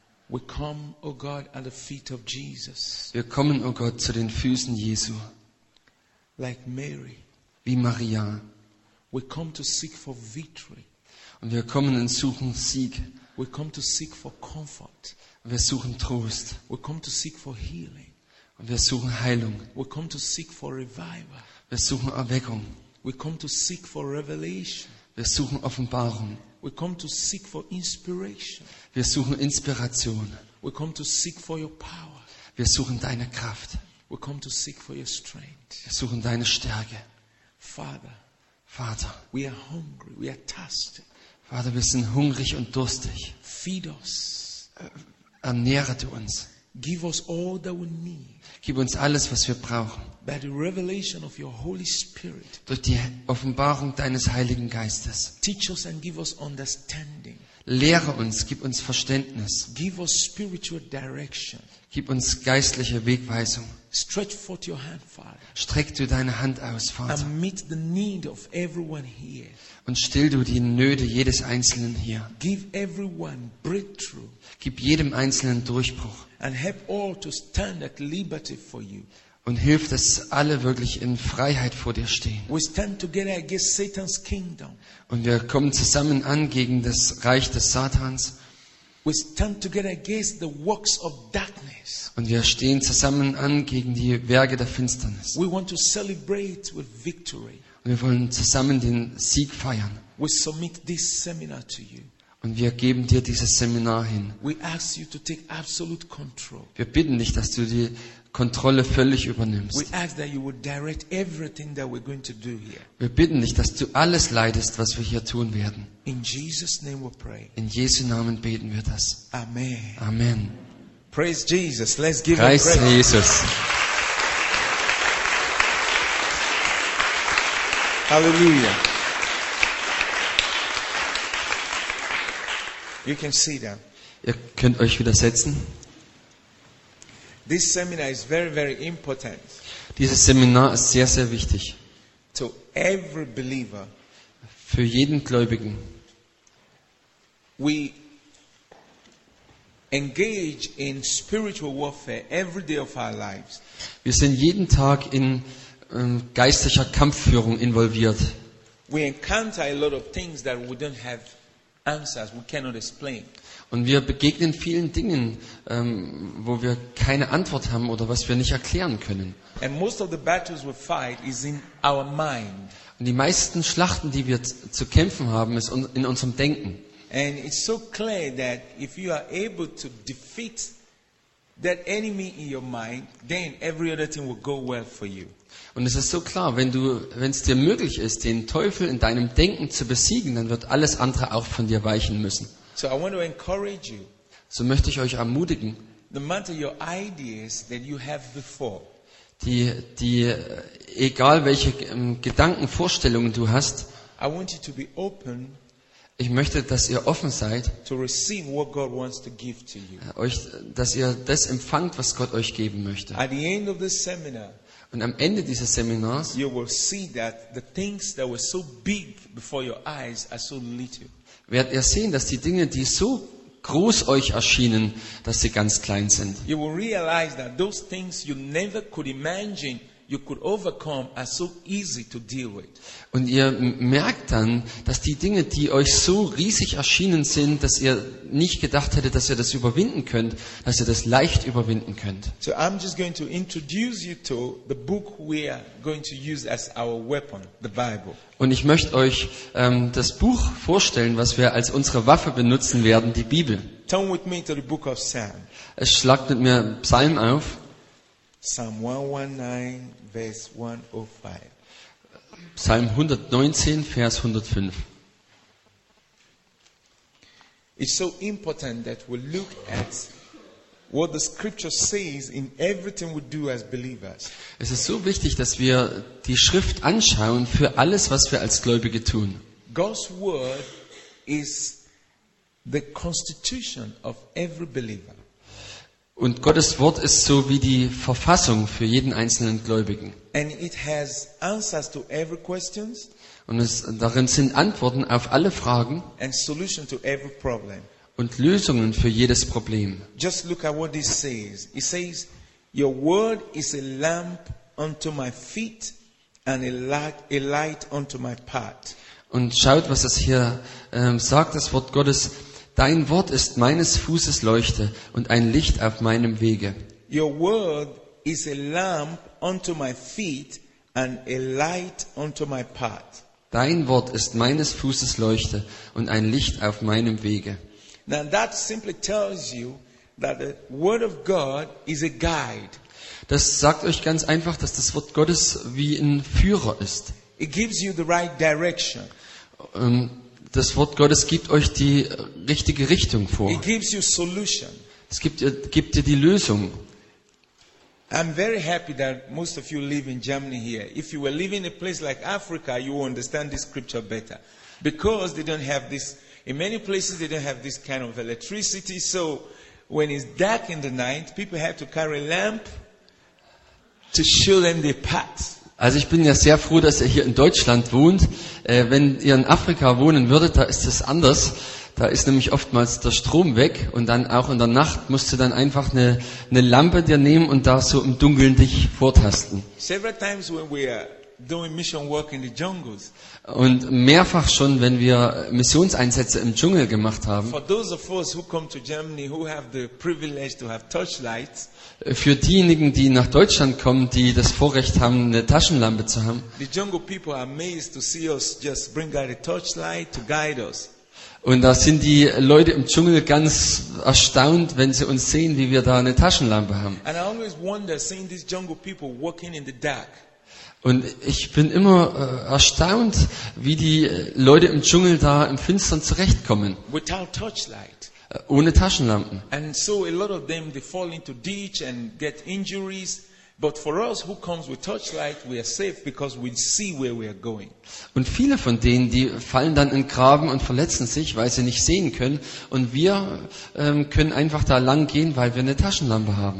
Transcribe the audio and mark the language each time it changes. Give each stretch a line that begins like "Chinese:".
English: We come, O God, at the feet of Jesus.
German: Wir kommen, O Gott, zu den Füßen Jesu.
English: Like Mary.
German: Wie Maria.
English: We come to seek for victory.
German: Und wir kommen und suchen Sieg.
English: We come to seek for comfort.
German: Wir suchen Trost.
English: We come to seek for healing.
German: Und wir suchen Heilung.
English: We come to seek for revival.
German: Wir suchen Erweckung.
English: We come to seek for revelation.
German: Wir suchen Offenbarung.
English: We come to seek for inspiration.
German: Wir suchen Inspiration.
English: We come to seek for your power.
German: Wir suchen deine Kraft.
English: We come to seek for your strength.
German: Wir suchen deine Stärke.
English: Father.
German: Vater.
English: We are hungry. We are thirsty.
German: Vater, wir sind hungrig und durstig.
English: Feed us.
German: Ernähre du uns.
English: Give us all that we need.
German: Gib uns alles, was wir brauchen.
English: By the revelation of your Holy Spirit.
German: Durch die Offenbarung deines Heiligen Geistes.
English: Teach us and give us understanding.
German: Lehre uns, gib uns Verständnis.
English: Give us spiritual direction.
German: Gib uns geistliche Wegweisung.
English: Stretch forth your hand, Father.
German: Streck du deine Hand aus, Vater.
English: And meet the need of everyone here.
German: Und still du die Nöte jedes Einzelnen hier.
English: Give everyone breakthrough.
German: Gib jedem Einzelnen Durchbruch.
English: And help all to stand at liberty for you.
German: Und hilf, dass alle wirklich in Freiheit vor dir stehen.
English: We stand together against Satan's kingdom.
German: Und wir kommen zusammen an gegen das Reich des Satans.
English: We stand together against the works of darkness.
German: Und wir stehen zusammen an gegen die Werke der Finsternis.
English: We want to celebrate with victory.
German: Und wir wollen zusammen den Sieg feiern.
English: We submit this seminar to you.
German: Und wir geben dir dieses Seminar hin.
English: We ask you to take absolute control.
German: Wir bitten dich, dass du die Kontrolle völlig übernimmst.
English: We ask that you would direct everything that we're going to do here.
German: Wir bitten dich, dass du alles leitest, was wir hier tun werden.
English: In Jesus' name we pray.
German: In Jesu Namen beten wir das.
English: Amen.
German: Amen.
English: Praise Jesus. Let's give him praise.
German: Preist Jesus.
English: Hallelujah. You can see that.
German: Ihr könnt euch wieder setzen.
English: This seminar is very, very important.
German: Dieses Seminar ist sehr, sehr wichtig.
English: To every believer.
German: Für jeden Gläubigen.
English: We engage in spiritual warfare every day of our lives.
German: Wir sind jeden Tag in geistlicher Kampfführung involviert.
English: We encounter a lot of things that we don't have answers, we cannot explain.
German: Und wir begegnen vielen Dingen, wo wir keine Antwort haben oder was wir nicht erklären können.
English: And most of the battles we fight is in our mind.
German: Und die meisten Schlachten, die wir zu kämpfen haben, ist in unserem Denken.
English: And it's so clear that if you are able to defeat that enemy in your mind, then every other thing will go well for you.
German: Und es ist so klar, wenn es dir möglich ist, den Teufel in deinem Denken zu besiegen, dann wird alles andere auch von dir weichen müssen.
English: So, I want to encourage you.
German: So möchte ich euch ermutigen.
English: No matter your ideas that you have before.
German: Die egal welche Gedanken, Vorstellungen du hast.
English: I want you to be open.
German: Ich möchte, dass ihr offen seid.
English: To receive what God wants to give to you.
German: Euch, dass ihr das empfangt, was Gott euch geben möchte.
English: At the end of the seminar.
German: Und am Ende dieses Seminars.
English: You will see that the things that were so big before your eyes are so little.
German: Werdet ihr sehen, dass die Dinge, die so groß euch erschienen, dass sie ganz klein sind.
English: You will realize that those things you never could imagine you could overcome are so easy to deal with.
German: Und ihr merkt dann, dass die Dinge, die euch so riesig erschienen sind, dass ihr nicht gedacht hättet, dass ihr das überwinden könnt, dass ihr das leicht überwinden könnt.
English: So I'm just going to introduce you to the book we are going to use as our weapon, the Bible.
German: Und ich möchte euch das Buch vorstellen, was wir als unsere Waffe benutzen werden, die Bibel.
English: Turn with me to the book of Psalm.
German: Es schlagt mit mir Psalm auf.
English: Psalm 119, verse 105.
German: Psalm 119, Vers 105.
English: It's so important that we look at what the Scripture says in everything we do as believers.
German: Es ist so wichtig, dass wir die Schrift anschauen für alles, was wir als Gläubige tun.
English: God's word is the constitution of every believer.
German: Und Gottes Wort ist so wie die Verfassung für jeden einzelnen Gläubigen.
English: And it has answers to every questions.
German: Und es, darin sind Antworten auf alle Fragen
English: and solution to every problem.
German: Und Lösungen für jedes Problem.
English: Just look at what this says. It says, your word is a lamp unto my feet and a light unto my path.
German: Und schaut, was es hier sagt, das Wort Gottes. Dein Wort ist meines Fußes Leuchte und ein Licht auf meinem Wege.
English: Your word is a lamp unto my feet and a light unto my path.
German: Dein Wort ist meines Fußes Leuchte und ein Licht auf meinem Wege.
English: Now that simply tells you that the word of God is a guide.
German: Das sagt euch ganz einfach, dass das Wort Gottes wie ein Führer ist.
English: It gives you the right direction.
German: Das Wort Gottes gibt euch die richtige Richtung vor.
English: It gives you solution.
German: Es gibt dir die Lösung.
English: I'm very happy that most of you live in Germany here. If you were living in a place like Africa, you would understand this scripture better. Because they don't have this, in many places they don't have this kind of electricity. So when it's dark in the night, people have to carry a lamp to show them their path.
German: Also ich bin ja sehr froh, dass ihr hier in Deutschland wohnt. Wenn ihr in Afrika wohnen würdet, da ist es anders. Da ist nämlich oftmals der Strom weg und dann auch in der Nacht musst du dann einfach eine Lampe dir nehmen und da so im Dunkeln dich vortasten.
English: Several times when we are doing mission work in the jungles.
German: Und mehrfach schon, wenn wir Missionseinsätze im Dschungel gemacht haben.
English: For those of us who come to Germany who have the privilege to have torchlights.
German: Für diejenigen, die nach Deutschland kommen, die das Vorrecht haben, eine Taschenlampe zu haben.
English: The jungle people are amazed to see us just bring out a torchlight to guide us.
German: Und da sind die Leute im Dschungel ganz erstaunt, wenn sie uns sehen, wie wir da eine Taschenlampe haben.
English: And I always wonder seeing these jungle people walking in the dark.
German: Und ich bin immer erstaunt, wie die Leute im Dschungel da im Finstern zurechtkommen.
English: Without torchlight.
German: Ohne Taschenlampen.
English: And so a lot of them they fall into ditch and get injuries, but for us who comes with torchlight we are safe because we see where we are going.
German: Und viele von denen, die fallen dann in Graben und verletzen sich, weil sie nicht sehen können, und wir können einfach da lang gehen, weil wir eine Taschenlampe haben.